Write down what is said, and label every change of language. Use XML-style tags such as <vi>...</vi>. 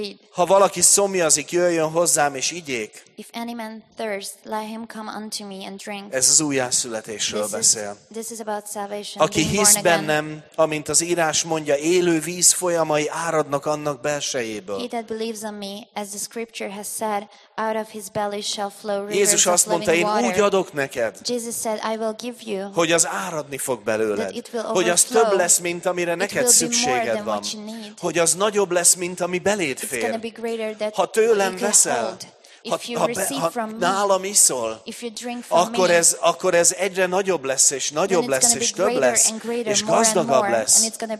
<hu>Ha valaki szomjazik, jöjjön hozzám és igyék.</hu> <en>If any man thirst, let him come unto me and drink.</en> <hu>Ez az újjászületésről beszél.</hu> <en>This is about salvation.</en> <hu>Aki hisz bennem, amint az írás mondja, élő víz folyamai áradnak annak belsejéből.</hu> <en>He that believes on me, as the scripture has said, out of his belly shall flow rivers.</en> <hu>Jézus azt mondta, én úgy adok neked.</hu> <en>Jesus said, I will give you.</en> <hu>Hogy az áradni fog belőled.</hu> <en>That it will</en> <hu>hogy az több lesz, mint amire neked szükséged van. Hogy az nagyobb lesz, mint ami beléd fér.</hu> <en>It's gonna be greater than</en> <hu>ha tőlem veszel. Ha nálam iszol, akkor ez egyre nagyobb lesz, és több lesz, és gazdagabb lesz.</hu>